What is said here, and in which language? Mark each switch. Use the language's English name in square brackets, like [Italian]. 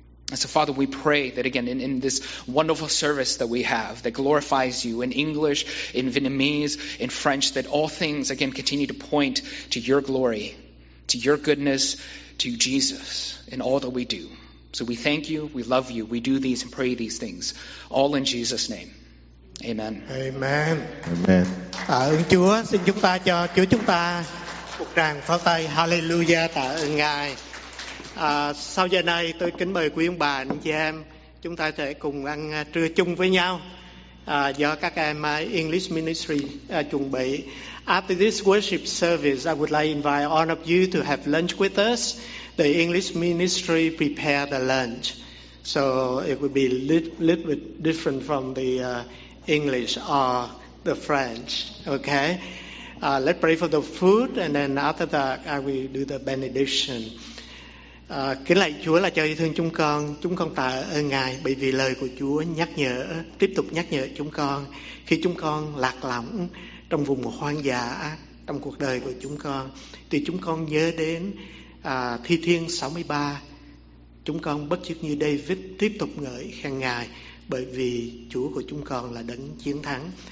[English] And so, Father, we pray that, again, in this wonderful service that we have, that glorifies you in English, in Vietnamese, in French, that all things, again, continue to point to your glory, to your goodness, to Jesus in all that we do. So we thank you, we love you, we do these and pray these things, all in Jesus' name. Amen. Amen. Amen. [Vietnamese] Ơn Chúa, xin chúng ta cho Chúa chúng ta một tràng pháo tay. Hallelujah, tạ ơn Ngài. Sau giờ này, tôi kính mời quý ông bà, anh chị em, chúng ta sẽ cùng ăn trưa chung với nhau do các em English Ministry chuẩn bị. [English] After this worship service, I would like to invite all of you to have lunch with us. The English Ministry prepare the lunch. So it would be a little bit different from the English or the French. Okay? Let's pray for the food, and then after that, I will do the benediction. [Vietnamese] Kính lạy Chúa là trời thương chúng con tạ ơn Ngài bởi vì lời của Chúa nhắc nhở, tiếp tục nhắc nhở chúng con khi chúng con lạc lõng trong vùng hoang dã trong cuộc đời của chúng con, thì chúng con nhớ đến Thi Thiên 63, chúng con bất chấp như David tiếp tục ngợi khen Ngài bởi vì Chúa của chúng con là đấng chiến thắng.